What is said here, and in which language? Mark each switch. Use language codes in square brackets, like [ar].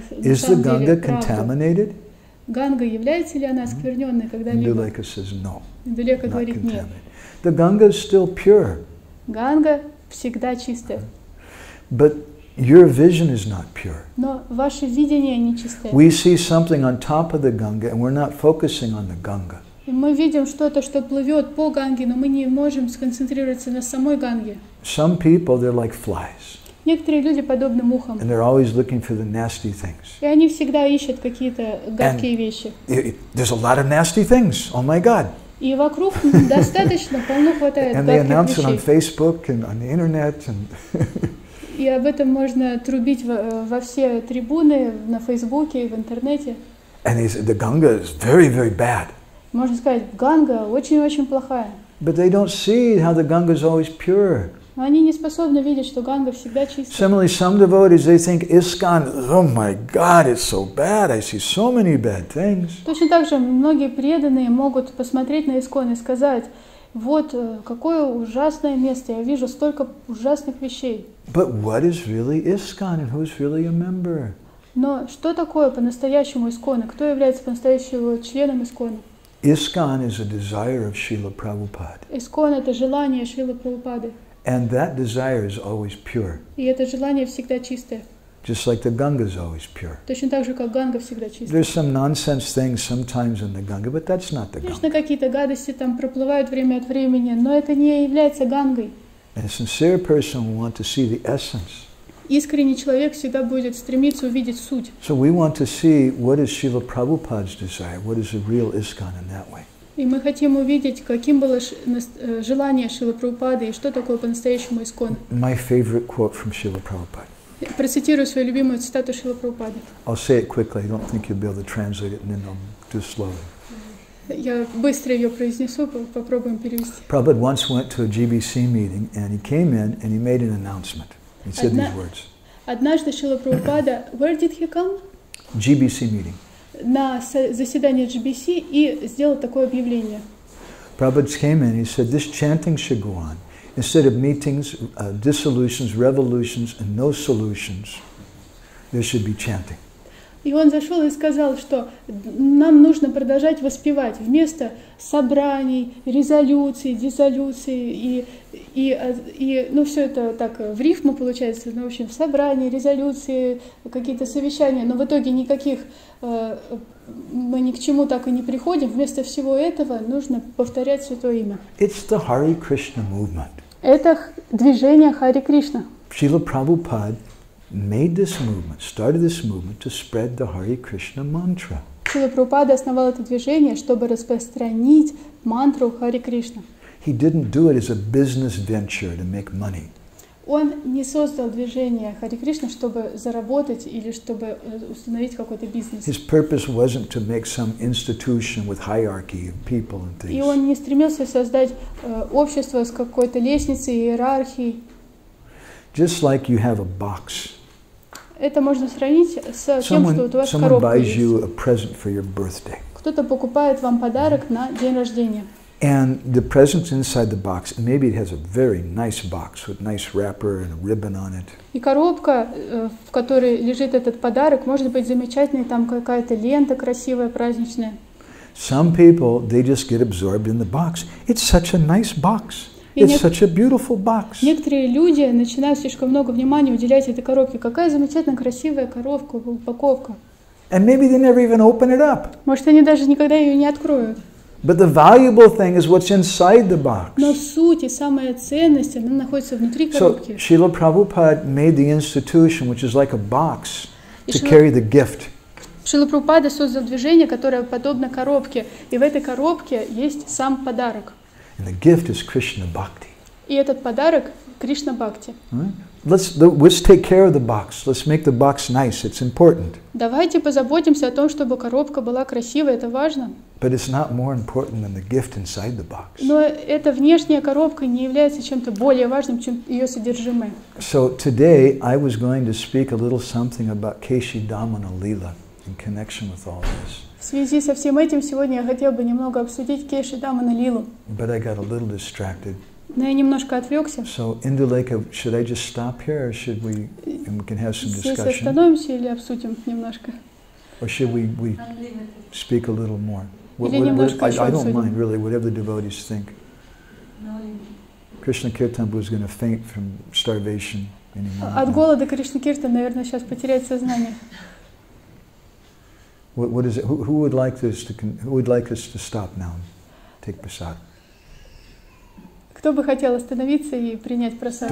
[en] is the Ganga contaminated? [ru] Ганга является ли она оскверненной когда-либо? [en] Duleka says no. [ru] Duleka говорит нет. [en] The Ganga is still pure. [ru] Ганга всегда чистая. [en] But your vision is not pure. [ru] Но ваше видение нечистое. [en] We see something on top of the Ganga, and we're not focusing on the Ganga. [ru] Мы видим что-то, что плывет по Ганге, но мы не можем сконцентрироваться на самой Ганге. [en] Some people, they're like flies. [ru] Некоторые люди подобны мухам. [en] And they're always looking for the nasty things. [ru] И они всегда ищут какие-то гадкие [en] and [ru] вещи. [en] There's a lot of nasty things. Oh my God. [ru] И вокруг достаточно, полно хватает гадких вещей. [en] And they announce it on Facebook and on the internet and. [ru] И об этом можно трубить во все трибуны, на Фейсбуке и в интернете. [en] And he said, the Ganga is very, very bad. [ru] Можно сказать, Ганга очень-очень плохая. [en] But they don't see how the Ganga is always pure. [ru] Но они не способны видеть, что Ганга всегда чистая. [en] Similarly, some devotees, they think ISKCON, oh my God, it's so bad, I see so many bad things. [ru] Точно так же многие преданные могут посмотреть на ISKCON и сказать, Вот какое ужасное место. Я вижу столько ужасных вещей. [en] But what is really ISKCON and who's really a member? [ru] Но что такое по-настоящему ИСКОН? Кто является по-настоящему членом ИСКОН? [en] ISKCON is a desire of Srila Prabhupada. [ru] ИСКОН — это желание Шрилы Прабхупады. [en] And that desire is always pure. [ru] И это желание всегда чистое. [en] Just like the Ganga is always pure. [ru] Точно так же, как Ганга всегда чистая. [en] There's some nonsense things sometimes in the Ganga, but that's not the Ganga. [ru] Конечно, какие-то гадости там проплывают время от времени, но это не является Гангой. [en] And a sincere person will want to see the essence. [ru] Искренний человек всегда будет стремиться увидеть суть. [en] So we want to see what is Srila Prabhupada's desire, what is the real ISKCON in that way. [ru] И мы хотим увидеть, каким было желание Шрилы Прабхупады и что такое по-настоящему ИСКОН. [en] My favorite quote from Srila Prabhupada. [ru] Процитирую свою любимую цитату Шрилы Прабхупады. [en] I'll say it quickly. I don't think you'll be able to translate it, and then I'll do slowly. [ru] Я быстро ее произнесу, попробуем перевести. [en] Prabhupada once went to a GBC meeting, and he came in and he made an announcement. He said these words. [ru] Однажды Шрила Прабхупада, [en] where did he come? GBC meeting. [ru] На заседание GBC и сделал такое объявление. [en] Prabhupada came in, he said, this chanting should go on. Instead of meetings, dissolutions, revolutions, and no solutions, there should be chanting. [ru] И он зашел и сказал, что нам нужно продолжать воспевать вместо собраний, резолюций, диссолюций и ну, все это так в рифму получается, ну, в общем, собрания, резолюции, какие-то совещания, но в итоге никаких, мы ни к чему так и не приходим, вместо всего этого нужно повторять Святое Имя. [en] It's the Hare Krishna movement. [ru] Это движение Харе Кришна. [en] Шрила Прабхупада made this movement, started this movement to spread the Hare Krishna mantra. [ru] Шрила Прабхупада основал это движение, чтобы распространить мантру Харе Кришна. [en] He didn't do it as a business venture to make money. [ru] Он не создал движение Харе Кришна, чтобы заработать или чтобы установить какой-то бизнес. [en] His purpose wasn't to make some institution with hierarchy of people and things. [ru] И он не стремился создать общество с какой-то лестницей, иерархией. [en] Just like you have a box. [ru] Это можно сравнить с тем, [en] someone, [ru] что у вас [en] someone [ru] коробка [en] buys [ru] есть. [en] You a present for your birthday. [ru] Кто-то покупает вам подарок на день рождения. [en] And the present's inside the box. Maybe it has a very nice box with nice wrapper and a ribbon on it. [ru] И коробка, в которой лежит этот подарок, может быть замечательной, там какая-то лента красивая, праздничная. [en] Some people, they just get absorbed in the box. It's such a nice box. It's such a beautiful box. [ru] Некоторые люди начинают слишком много внимания уделять этой коробке. Какая замечательная, красивая коробка, упаковка. [en] And maybe they never even open it up. [ru] Может, они даже никогда ее не откроют. [en] But the valuable thing is what's inside the box. [ru] Но суть и самая ценность, она находится внутри коробки. [en] So Srila Prabhupada made the institution, which is like a box, to carry the gift. [ru] Шрила Прабхупада создал движение, которое подобно коробке. И в этой коробке есть сам подарок. [en] And the gift is Krishna Bhakti. [ru] И этот подарок Кришна Бхакти. [en] Let's take care of the box. Let's make the box nice. It's important. [ru] Давайте позаботимся о том, чтобы коробка была красивой. Это важно. [en] But it's not more important than the gift inside the box. [ru] Но эта внешняя коробка не является чем-то более важным, чем ее содержимое. [en] So today I was going to speak a little something about Keshi Damana Lila in connection with all this. [ru] В связи со всем этим сегодня я хотел бы немного обсудить Кеши Дамана Лилу. [en] But I got a little distracted. [ru] Но я немножко отвлекся. [en] So, Indulekha, should I just stop here, or should we, and we can have some discussion? [ru] Здесь остановимся или обсудим немножко? [en] Or should we speak a little more? [ru] Или немножко еще [en] I don't mind, really, whatever the devotees think. Krishna Kirtan was going to faint from starvation. [ru] От голода Кришна Киртан, наверное, сейчас потеряет сознание. [en] What is it? Who would like this to? Who would like us to stop now? Take prasad. [ru] Кто бы хотел остановиться и принять прасад?